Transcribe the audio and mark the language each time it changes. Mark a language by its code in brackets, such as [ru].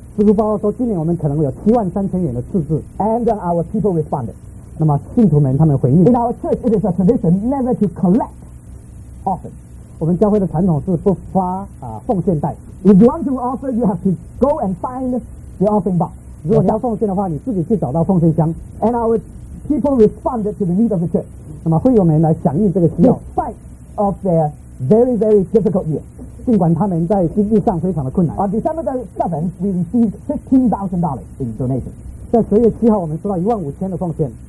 [zh] 司库报告说，今年我们可能有73,000元的赤字。 [en] And our people responded. [zh] 那么信徒们他们回应。 [en] In our church, it is a tradition never to collect often. [zh] 我们教会的传统是不发奉献袋。 [en] If you want to offer, you have to go and find the offering box. [zh] 如果你要奉献的话，你自己去找到奉献箱。 [en] And our people responded to the need of the church. [zh] 那么会友们来响应这个需要 [en] ，despite of their very very difficult year， [zh] 尽管他们在经济上非常的困难。 [en] On December 7th, we received $15,000 in donation。 [zh] 在10月7号，我们收到15,000的奉献。